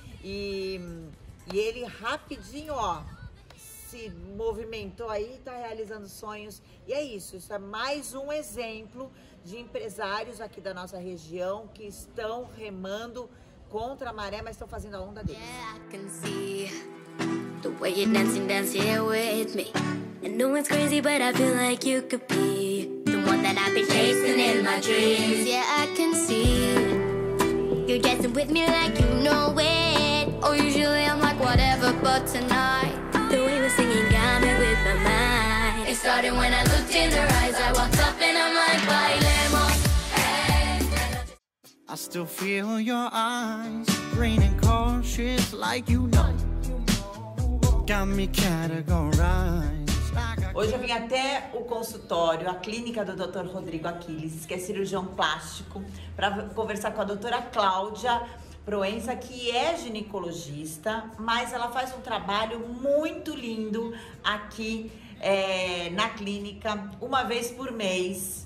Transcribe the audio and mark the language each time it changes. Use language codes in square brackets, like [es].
[pt] E ele rapidinho, ó, se movimentou aí, tá realizando sonhos. E é isso, isso é mais um exemplo de empresários aqui da nossa região que estão remando contra a maré, mas estão fazendo a onda deles. [en] Yeah, I can see the way you're dancing, dancing with me. I know it's crazy, but I feel like you could be the one that I've been chasing in my dreams. Yeah, I can see you're dancing with me like you know it. Oh, usually I'm like whatever, but tonight the way we're singing got me with my mind. It started when I looked in her eyes. I walked up and I'm like, bailemos. I still feel your eyes raining cautious like you know. Got me categorized. [pt] Hoje eu vim até o consultório, a clínica do Dr. Rodrigo Aquiles, que é cirurgião plástico, para conversar com a doutora Cláudia Proença, que é ginecologista, mas ela faz um trabalho muito lindo aqui na clínica, uma vez por mês.